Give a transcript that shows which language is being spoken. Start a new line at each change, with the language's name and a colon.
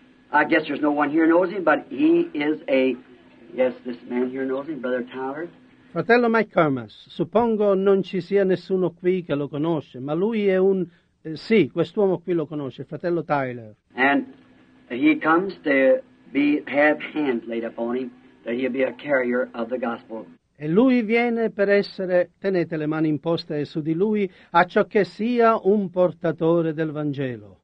English: I guess there's no one here knows him, but he is a... Yes, this man here knows him, Brother Tyler.
Italian: Fratello McComas, suppongo non ci sia nessuno qui che lo conosce, ma lui è un... sì, quest'uomo qui lo conosce, fratello Tyler.
English: And he comes to have hands laid upon him. That he'll be a carrier of the gospel.
Italian: E lui viene per essere, tenete le mani imposte su di lui, a ciò che sia un portatore del Vangelo.